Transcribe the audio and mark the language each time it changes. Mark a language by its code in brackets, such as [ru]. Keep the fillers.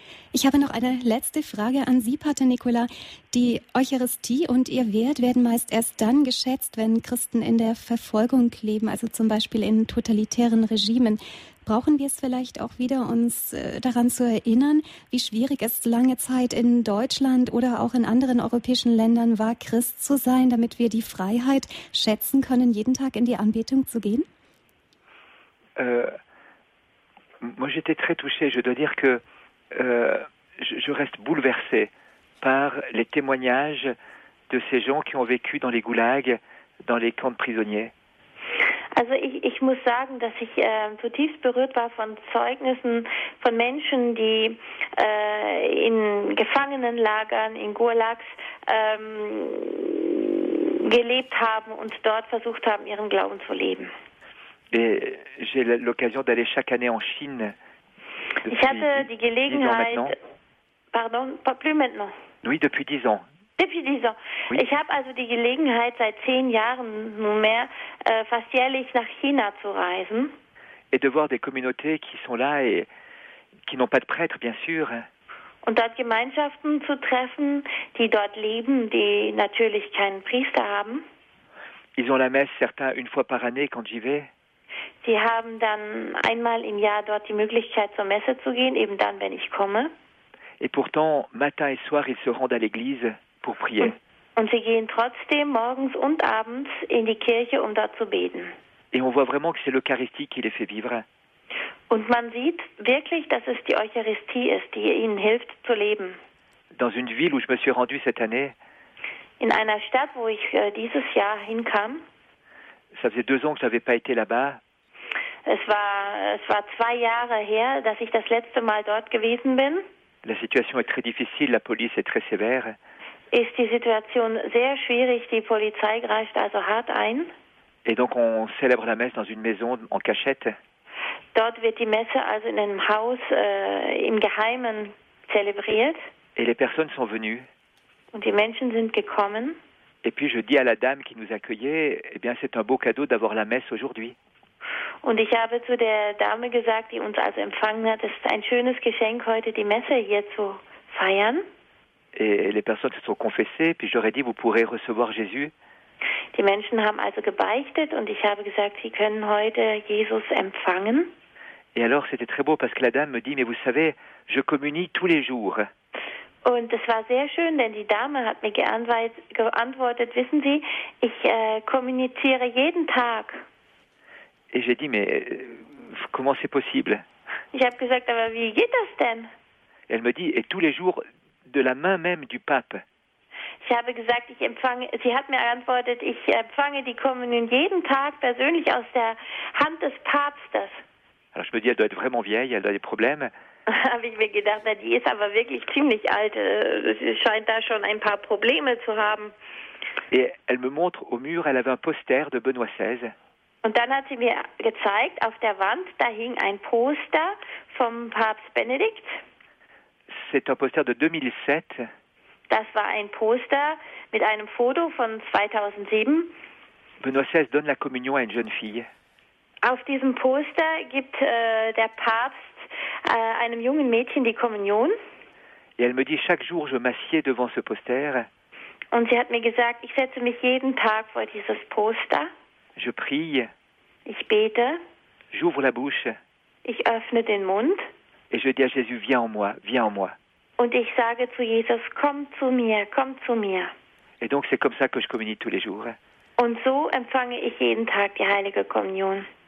[de] Ich habe noch eine letzte Frage an Sie, Pater Nicola. Die Eucharistie und ihr Wert werden meist erst dann geschätzt, wenn Christen in der Verfolgung leben, also zum Beispiel in totalitären Regimen. Brauchen wir es vielleicht auch wieder, uns äh, daran zu erinnern, wie schwierig es lange Zeit in Deutschland oder auch in anderen europäischen Ländern war, Christ zu sein, damit wir die Freiheit schätzen können, jeden Tag in die Anbetung zu gehen? [fr] Euh, moi j'étais très touché, je dois dire que euh, je, je reste bouleversé par les témoignages de ces gens qui ont vécu dans les goulags, dans les camps de prisonniers. [de] Also ich, ich muss sagen, dass ich äh, zutiefst berührt war von Zeugnissen von Menschen, die äh, in Gefangenenlagern, in Gulags ähm, gelebt haben und dort versucht haben, ihren Glauben zu leben. [fr] Et j'ai l'occasion d'aller chaque année en Chine. [de] Ich hatte die [fr] dix ans maintenant. [de] Gelegenheit, [fr] pardon, pas plus maintenant. Oui, depuis dix ans. Depuis dix ans. Oui. [de] Ich habe also die Gelegenheit, seit zehn Jahren nunmehr äh, fast jährlich nach China zu reisen. [fr] Et de voir des communautés qui sont là et qui n'ont pas de prêtres, bien sûr, hein, [de] Und dort Gemeinschaften zu treffen, die dort leben, die natürlich keinen Priester haben. [fr] Ils ont la messe, certains, une fois par année quand j'y vais. [de] Sie haben dann einmal im Jahr dort die Möglichkeit, zur Messe zu gehen, eben dann, wenn ich komme. [fr] Et pourtant, matin et soir, ils se rendent à l'église pour prier. [de] Und, und sie gehen trotzdem morgens und abends in die Kirche, um dort zu beten. [fr] Et on voit vraiment que c'est l'Eucharistie qui les fait vivre. [de] Und man sieht wirklich, dass es die Eucharistie ist, die ihnen hilft zu leben. [fr] Dans une ville où je me suis rendu cette année, [de] In einer Stadt, wo ich äh, dieses Jahr hinkam, [fr] ça faisait deux ans que je n'avais pas été là-bas. [de] es war, es war zwei Jahre her, dass ich das letzte Mal dort gewesen bin, [fr] La situation est très difficile, la police est très sévère. [de] ist die Situation sehr schwierig. Die Polizei greift also hart ein. [fr] Et donc on célèbre la messe dans une maison en cachette. [de] Dort wird die Messe also in einem Haus äh, im Geheimen zelebriert [fr] Et les personnes sont venues. [de] und die Menschen sind gekommen. [fr] Et puis je dis à la dame qui nous accueillait, eh bien c'est un beau cadeau d'avoir la messe aujourd'hui. [de] Und ich habe zu der Dame gesagt, die uns also empfangen hat, es ist ein schönes Geschenk, heute die Messe hier zu feiern. [fr] Et les personnes se sont confessées, puis j'aurais dit, vous pourrez recevoir Jésus. [de] Die Menschen haben also gebeichtet und ich habe gesagt, sie können heute Jesus empfangen. [fr] Et alors c'était très beau parce que la dame me dit, mais vous savez, je communie tous les jours. [de] Und es war sehr schön, denn die Dame hat mir geantweit- geantwortet, wissen Sie, ich äh, kommuniziere jeden Tag. [fr] Et j'ai dit, mais euh, comment c'est possible [de] Ich habe gesagt, aber wie geht das denn? [fr] Et Elle me dit, et tous les jours, de la main même du pape. [de] Ich habe gesagt, ich empfange, sie hat mir geantwortet, ich empfange die Kommunion jeden Tag persönlich aus der Hand des Papstes. [fr] Alors je me dis, elle doit être vraiment vieille, elle a des problèmes. [de] habe ich mir gedacht, na, die ist aber wirklich ziemlich alt. äh, Sie scheint da schon ein paar Probleme zu haben. [fr] Et elle me montre au mur, elle avait un poster de Benoît XVI. [de] Und dann hat sie mir gezeigt, auf der Wand, da hing ein Poster vom Papst Benedikt. [fr] C'est un poster de 2007 [de] Das war ein Poster mit einem Foto von 2007. [fr] Benoît XVI donne la communion à une jeune fille. [de] Auf diesem Poster gibt äh, der Papst äh, einem jungen Mädchen die Kommunion. [fr] Et elle me dit chaque jour je m'assieds devant ce poster, [de] Und sie hat mir gesagt, ich setze mich jeden Tag vor dieses Poster. [fr] je prie, [de] Ich bete, [fr] j'ouvre la bouche [de] ich öffne den Mund [fr] et je dis à Jésus viens en moi, viens en moi. [de] und ich sage zu Jesus, komm zu mir, komm zu mir. [fr] Et donc c'est comme ça que je communie tous les jours. [de] Und so empfange ich jeden Tag die heilige Kommunion.